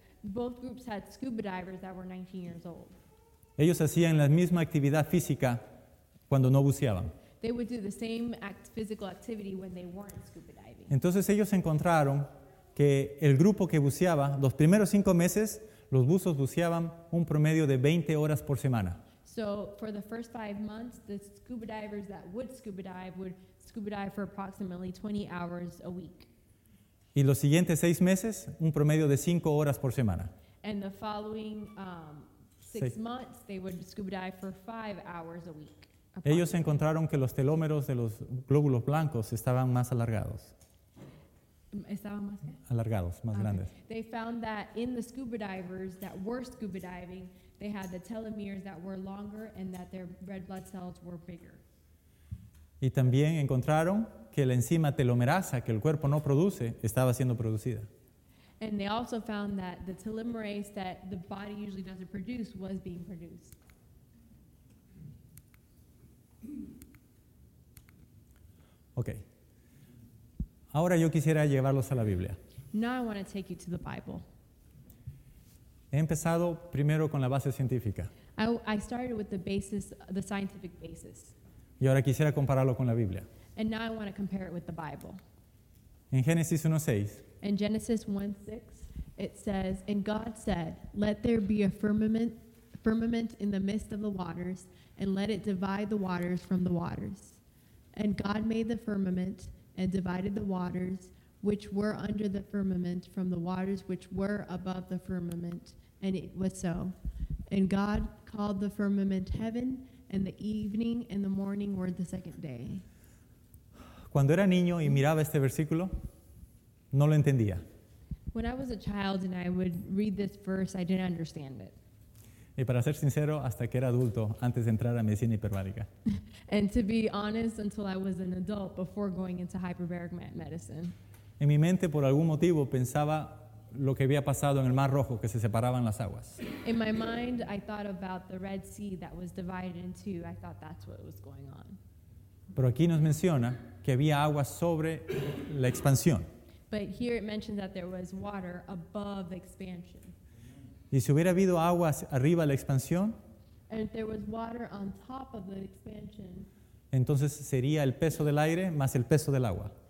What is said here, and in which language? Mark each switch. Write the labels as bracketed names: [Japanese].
[English] Both groups had scuba divers that were 19 years old. [Spanish] Ellos hacían la misma actividad física cuando no buceaban. [English] They would do the same physical activity when they weren't scuba diving. [Spanish] Entonces ellos encontraron que el grupo que buceaba, los primeros 5 meses, los buzos buceaban un promedio de 20 horas por semana. [English] So for the first 5 months, the scuba divers that would scuba dive for approximately 20 hours a week. [Spanish] Y los siguientes 6 meses, un promedio de 5 horas por semana. [English] And the following 6 months, they would scuba dive for 5 hours a week. [Spanish] Ellos encontraron que los telómeros de los glóbulos blancos estaban más alargados. Estaban más alargados, más grandes. [English] They found that in the scuba divers that were scuba diving, they had the telomeres that were longer and that their red blood cells were bigger. [Spanish] Y también encontraron que la enzima telomerasa que el cuerpo no produce estaba siendo producida. [English] And they also found that the telomerase that the body usually doesn't produce was being produced. Okay. [Spanish] Ahora yo quisiera llevarlos a la Biblia. [English] Now I want to take you to the Bible. [Spanish] He empezado primero con la base científica. [English] I started with the scientific basis. [Spanish] Y ahora quisiera compararlo con la Biblia. [English] And now I want to compare it with the Bible. [Spanish] En Génesis 1:6. [English] In Genesis 1:6, it says, "And God said, let there be a firmament in the midst of the waters, and let it divide the waters from the waters. And God made the firmament and divided the waters which were under the firmament from the waters which were above the firmament, and it was so. And God called the firmament heaven, and the evening and the morning were the second day." [Spanish] Cuando era niño y miraba este versículo, no lo entendía. [English] When I was a child and I would read this verse, I didn't understand it. [Spanish] Y para ser sincero, hasta que era adulto, antes de entrar a medicina hiperbárica. [English] And to be honest, until I was an adult, before going into hyperbaric medicine. [Spanish] En mi mente, por algún motivo, pensaba lo que había pasado en el Mar Rojo, que se separaban las aguas. [English] In my mind, I thought about the Red Sea that was divided in two. I thought that's what was going on. [Spanish] Pero aquí nos menciona que había agua sobre la expansión. [English] But here it mentions that there was water above expansion. [Spanish] Y si hubiera habido aguas arriba de la expansión, [English] and if there was water on top of the expansion, [Spanish] entonces sería el peso del aire más el peso del agua.